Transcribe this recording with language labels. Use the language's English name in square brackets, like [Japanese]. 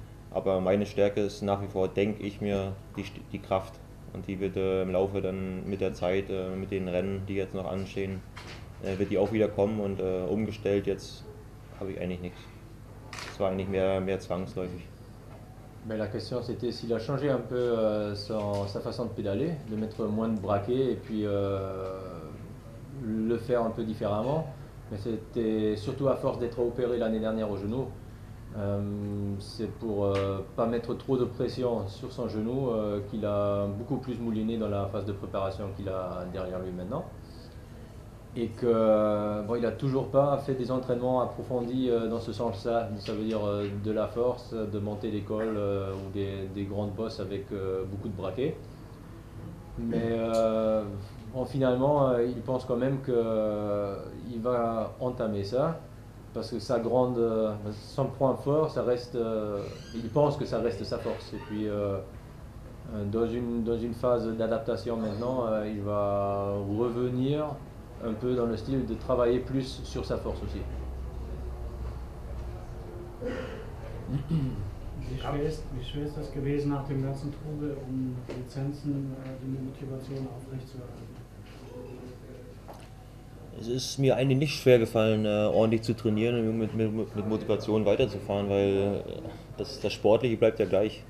[German] Aber meine Stärke ist nach wie vor, denke ich mir, die Kraft. Und die wird im Laufe dann mit der Zeit, mit den Rennen, die jetzt noch anstehen, wird die auch wieder kommen und umgestellt, jetzt habe ich eigentlich nichts. Es war eigentlich mehr zwangsläufig. [French] Mais la question c'était s'il a changé un peu sa façon de pédaler, de mettre moins de braquet et puis le faire un peu différemment. Mais c'était surtout à force d'être opéré l'année dernière au genou. C'est pour pas mettre trop de pression sur son genou qu'il a beaucoup plus mouliné dans la phase de préparation qu'il a derrière lui maintenant. Et que bon, il a toujours pas fait des entraînements approfondis dans ce sens-là. Ça veut dire de la force, de monter des cols ou des grandes bosses avec beaucoup de braquets. Mais bon, finalement, il pense quand même qu'il va entamer ça parce que son point fort, ça reste. Il pense que ça reste sa force. Et puis dans une phase d'adaptation maintenant, il va revenir un peu dans le style de travailler plus sur sa force aussi. [German] Wie schwer ist das gewesen nach dem ganzen Trubel, um Lizenzen, die Motivation aufrechtzuerhalten? Es ist mir eigentlich nicht schwer gefallen, ordentlich zu trainieren und mit Motivation weiterzufahren, weil das Sportliche bleibt ja gleich.